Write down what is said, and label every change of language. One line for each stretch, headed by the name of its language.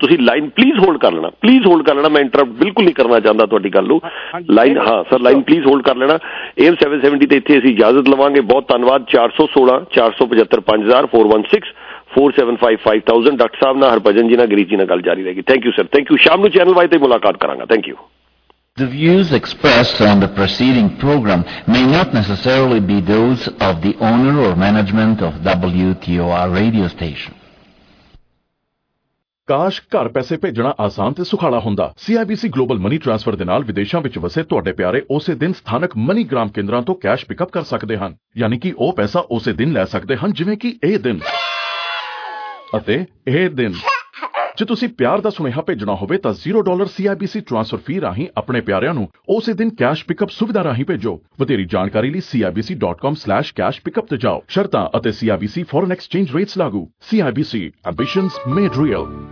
Punjabi: ਤੁਸੀਂ line please hold ਕਰ ਲੈਣਾ, ਪਲੀਜ਼ ਹੋਲਡ ਕਰ ਲੈਣਾ, ਮੈਂ ਇੰਟਰਪਟ ਬਿਲਕੁਲ ਨਹੀਂ ਕਰਨਾ ਚਾਹੁੰਦਾ ਤੁਹਾਡੀ ਗੱਲ ਨੂੰ ਲਾਈਨ। ਹਾਂ ਸਰ, ਲਾਈਨ ਪਲੀਜ਼ ਹੋਲਡ ਕਰ ਲੈਣਾ, AM 770 ਤੇ ਇੱਥੇ ਅਸੀਂ ਇਜਾਜ਼ਤ ਲਵਾਂਗੇ। ਬਹੁਤ ਧੰਨਵਾਦ। 416-475-4165-5000 ਡਾਕਟਰ ਸਾਹਿਬ ਨਾਲ, ਹਰਭਜਨ ਜੀ ਨਾਲ, ਗਰੀਬ ਜੀ ਨਾਲ ਗੱਲ ਜਾਰੀ ਰਹੇਗੀ। Thank you sir, thank you, ਸ਼ਾਮ ਨੂੰ ਚੈਨਲ ਵਾਈ ਤੇ ਮੁਲਾਕਾਤ ਕਰਾਂਗਾ, thank you.
English: The views expressed on the preceding program may not necessarily be those of the owner or management of WTOR radio station.
Punjabi: ਕਾਸ਼ ਘਰ ਪੈਸੇ ਭੇਜਣਾ ਆਸਾਨ ਤੇ ਸੁਖਾਲਾ ਹੁੰਦਾ। CIBC ਗਲੋਬਲ ਮਨੀ ਟ੍ਰਾਂਸਫਰ ਦੇ ਨਾਲ ਵਿਦੇਸ਼ਾਂ ਵਿੱਚ ਵਸੇ ਤੁਹਾਡੇ ਪਿਆਰੇ ਉਸੇ ਦਿਨ ਸਥਾਨਕ ਮਨੀ ਗ੍ਰਾਮ ਕੇਂਦਰਾਂ ਤੋਂ ਕੈਸ਼ ਪਿਕਅਪ ਕਰ ਸਕਦੇ ਹਨ, ਯਾਨੀ ਕਿ ਉਹ ਪੈਸਾ ਉਸੇ ਦਿਨ ਲੈ ਸਕਦੇ ਹਨ ਜਿਵੇਂ ਕਿ ਇਹ ਦਿਨ ਅਤੇ ਇਹ ਦਿਨ। ਜੇ ਤੁਸੀਂ ਪਿਆਰ ਦਾ ਸੁਨੇਹਾ ਭੇਜਣਾ ਹੋਵੇ ਤਾਂ $0 CIBC ਟ੍ਰਾਂਸਫਰ ਫੀ ਰਾਹੀਂ ਆਪਣੇ ਪਿਆਰਿਆਂ ਨੂੰ ਉਸੇ ਦਿਨ ਕੈਸ਼ ਪਿਕਅਪ ਸੁਵਿਧਾ ਰਾਹੀਂ ਭੇਜੋ। ਵਧੇਰੀ ਜਾਣਕਾਰੀ ਲਈ CIBC.com/cashpickup ਤੇ ਜਾਓ। ਸ਼ਰਤਾਂ ਅਤੇ CIBC ਫੋਰਨ ਐਕਸਚੇਂਜ ਰੇਟਸ ਲਾਗੂ।
English: CIBC ambitions made real.